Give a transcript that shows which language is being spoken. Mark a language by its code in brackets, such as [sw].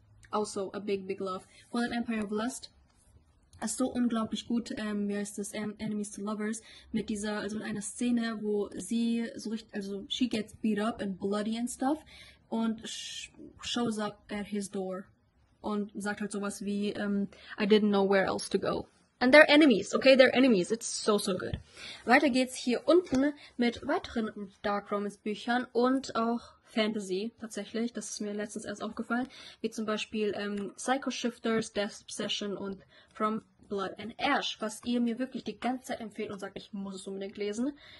[de] Also, [en] a big, big love. [de] Fallen Empire of Lust. Ist so unglaublich gut, wie heißt das, Enemies to Lovers, mit dieser, also mit einer Szene, wo sie so richtig, also [en] she gets beat up and bloody and stuff [de] und [en] shows up at his door [de] und sagt halt sowas wie, [en] I didn't know where else to go. And they're enemies, okay, they're enemies, it's so, so good. [de] Weiter geht's hier unten mit weiteren Dark Romance Büchern und auch Fantasy, tatsächlich, das ist mir letztens erst aufgefallen, wie zum Beispiel Psycho Shifters, Death Obsession und From Blood and Ash, was ihr mir wirklich die ganze Zeit empfehlt und sagt, ich muss es unbedingt lesen.